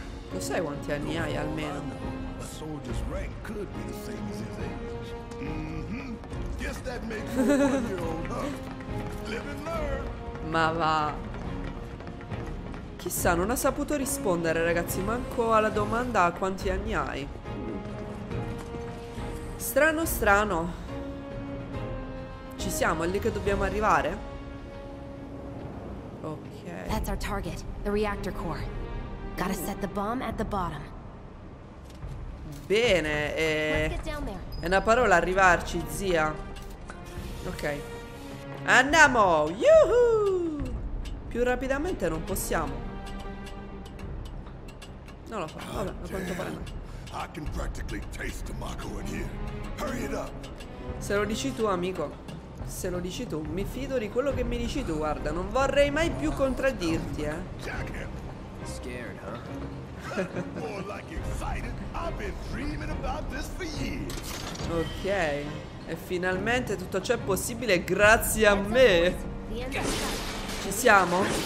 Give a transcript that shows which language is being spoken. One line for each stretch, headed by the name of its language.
Italian: Lo sai quanti anni hai almeno?
English: A soldier's rank could be the same as his age. Mm-hmm. Guess that makes you a 1-year-old, huh? Live and learn.
Italian: Ma va. Chissà, non ha saputo rispondere, ragazzi, manco alla domanda a quanti anni hai. Strano, strano. Ci siamo, è lì che dobbiamo arrivare. Ok.
English: That's our target, the reactor core. Gotta set the bomb at the bottom.
Italian: Bene, è una parola, arrivarci, zia. Ok. Andiamo! Yuhu! Più rapidamente non possiamo. Non lo so, vabbè, a quanto pare no.
English: I can practically taste Tamako in here. Hurry it up.
Italian: Se lo dici tu, amico. Se lo dici tu, mi fido di quello che mi dici tu, guarda, non vorrei mai più contraddirti,
English: Scared, huh? More like excited. I've been dreaming about this for years.
Italian: Ok. E finalmente tutto ciò è possibile grazie a me. Ci siamo?